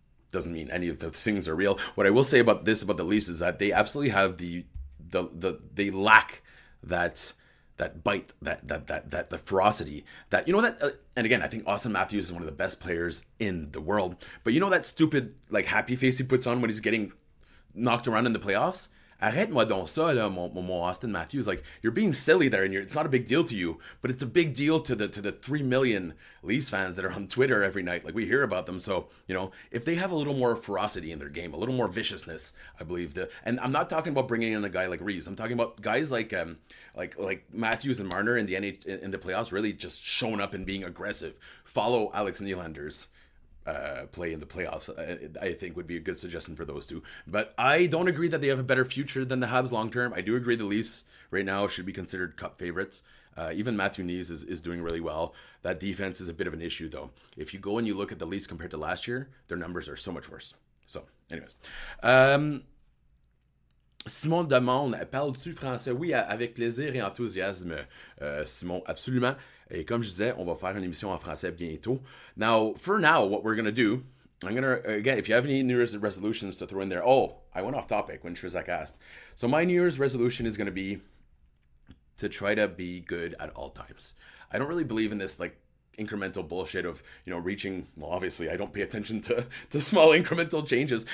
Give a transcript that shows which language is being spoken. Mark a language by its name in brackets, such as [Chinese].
[English] Doesn't mean any of those things are real. What I will say about this, about the Leafs, is that they absolutely have they lack that bite, that the ferocity, that, you know, that, and again, I think Austin Matthews is one of the best players in the world, but you know that stupid, like, happy face he puts on when he's getting knocked around in the playoffs? [French] arrête-moi donc ça, là, mon Austin Matthews. [English] Like, you're being silly there, and it's not a big deal to you, but it's a big deal to the 3 million Leafs fans that are on Twitter every night. Like, we hear about them. So, you know, if they have a little more ferocity in their game, a little more viciousness, I believe. And I'm not talking about bringing in a guy like Reeves. I'm talking about guys like Matthews and Marner in the playoffs really just showing up and being aggressive. Follow Alex Nylander's play in the playoffs, I think, would be a good suggestion for those two. But I don't agree that they have a better future than the Habs long term. I do agree the Leafs right now should be considered cup favorites. Even Matthew Nyes is doing really well. That defense is a bit of an issue, though. If you go and you look at the Leafs compared to last year, their numbers are so much worse. So, anyways. [French] Simon demande, parles-tu français? Oui, avec plaisir et enthousiasme, Simon, absolument. Et comme je disais, on va faire une émission en français bientôt. [English] Now, for now, what we're going to do, I'm going to, again, if you have any New Year's resolutions to throw in there. Oh, I went off topic when Trizak asked. So my New Year's resolution is going to be to try to be good at all times. I don't really believe in this, like, incremental bullshit of, you know, reaching, well, obviously, I don't pay attention to small incremental changes.